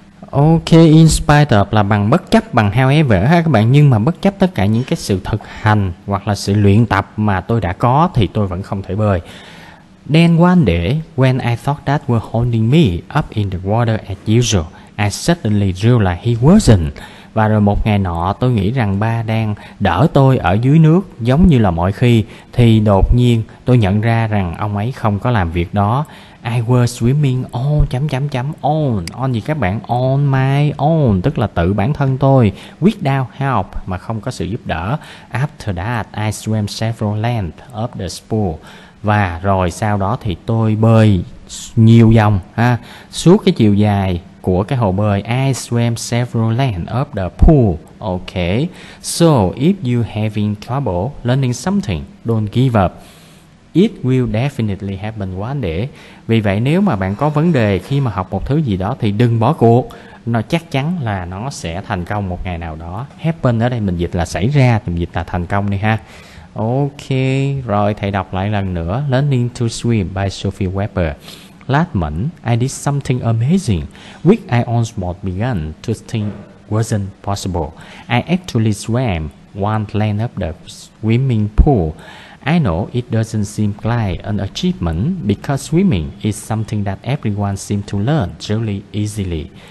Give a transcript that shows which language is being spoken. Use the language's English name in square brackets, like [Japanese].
[Vietnamese] Ok, in spite of là bằng bất chấp, bằng however ha các bạn. Nhưng mà bất chấp tất cả những cái sự thực hành hoặc là sự luyện tập mà tôi đã có thì tôi vẫn không thể bơi. [English] Then one day, when I thought that were holding me up in the water as usual, I suddenly realized he wasn't. [Vietnamese] Và rồi một ngày nọ tôi nghĩ rằng ba đang đỡ tôi ở dưới nước giống như là mọi khi, thì đột nhiên tôi nhận ra rằng ông ấy không có làm việc đó. [English] I was swimming all ...on. [Vietnamese] On gì các bạn? [English] On my own, [Vietnamese] tức là tự bản thân tôi. [English] Without help, [Vietnamese] mà không có sự giúp đỡ. [English] After that, I swam several lengths of the pool. [Vietnamese] Và rồi sau đó thì tôi bơi nhiều vòng ha, suốt cái chiều dài của cái hồ bơi. [English] I swam several lengths of the pool. Ok, so if you having trouble learning something, don't give up. It will definitely happen one day. [Vietnamese] Vì vậy nếu mà bạn có vấn đề khi mà học một thứ gì đó thì đừng bỏ cuộc. Nó chắc chắn là nó sẽ thành công một ngày nào đó. Happen ở đây mình dịch là xảy ra, mình dịch là thành công đi ha. Ok, rồi thầy đọc lại lần nữa. [English] Learning to Swim by Sophie Weber. Last month, I did something amazing, which I almost began to think wasn't possible. I actually swam one length of the swimming pool. I know it doesn't seem like an achievement, because swimming is something that everyone seems to learn really easily.